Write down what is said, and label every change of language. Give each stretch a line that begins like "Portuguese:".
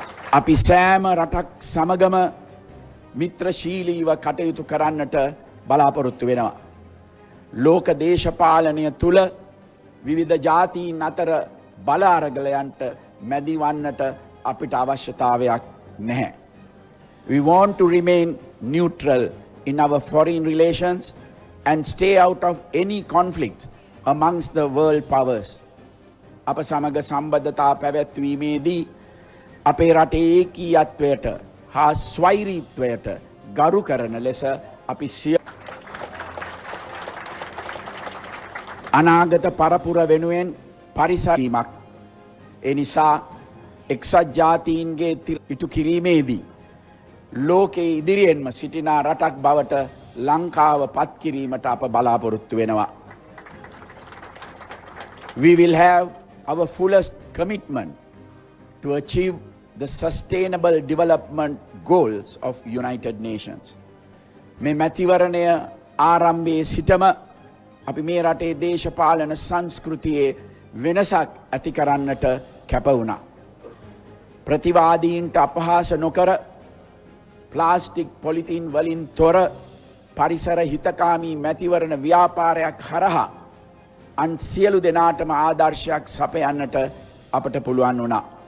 Sinhala: අපි සෑම රටක් සමගම මිත්‍රශීලීව කටයුතු කරන්නට බලාපොරොත්තු වෙනවා. ලෝක දේශපාලනය තුළ විවිධ ජාතීන් අතර බල අරගලයන්ට මැදිවන්නට අපිට අවශ්‍යතාවයක් නැහැ.
English: We want to remain neutral in our foreign relations and stay out of any conflicts amongst the world powers.
Sinhala: අප සමග සම්බන්ධතා පැවැත්වීමේදී අපේ රටේ ඒකීයත්වයට හා ස්වෛරීත්වයට ගරු කරන ලෙස අපි සිය අනාගත පරපුර වෙනුවෙන් පරිසරීමක්. එනිසා එක්සත් ජාතීන්ගේ ඉටු කිරීමේදී ලෝකයේ ඉදිරියෙන්ම සිටිනා රටක් බවට ලංකාව පත්කිරීමට අප බලාපොරොත්තු වෙනවා.
English: We will have our fullest commitment to achieve the Sustainable Development Goals of United Nations.
Sinhala: මේ මැතිවරණය ආරම්භයේ සිටම අපි මේ රටේ දේශපාලන සංස්කෘතියේ වෙනසක් ඇති කරන්නට කැප වුණා. ප්‍රතිවාදීන්ට අපහාස නොකර ප්ලාස්ටික් පොලිතින් වලින් තොර පරිසර හිතකාමී මැතිවරණ ව්‍යාපාරයක් හරහා අන් සියලු දෙනාටම ආදර්ශයක් සපයන්නට අපට පුළුවන් වුණා.